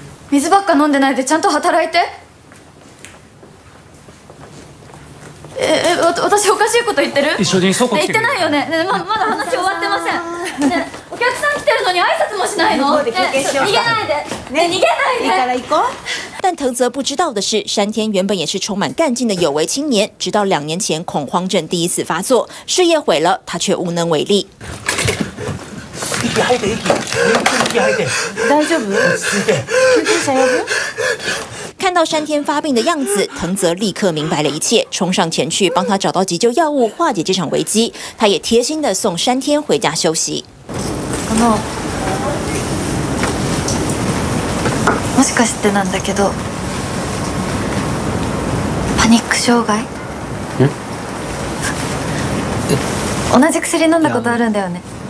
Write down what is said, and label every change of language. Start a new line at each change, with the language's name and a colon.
Japanese: 水ばっか飲んでないでちゃんと働いて。私おかしいこと言ってる？一緒にそこ来て。言ってないよね。まだ話終わってません。お客さん来てるのに挨拶もしないの？逃げないで。逃げないで。
Chinese: 但藤泽不知道的是，山田原本也是充满干劲的有为青年，直到两年前恐慌症第一次发作，事业毁了，他却无能为力。
Japanese: 大丈夫？救急车呼ぶ？
Chinese: 看到山田发病的样子，藤泽立刻明白了一切，冲上前去帮他找到急救药物，化解这场危机。他也贴心地送山田回家休息。
Japanese: あの、もしかしてなんだけど、パニック障害？ん？同じ薬飲んだことあるんだよね。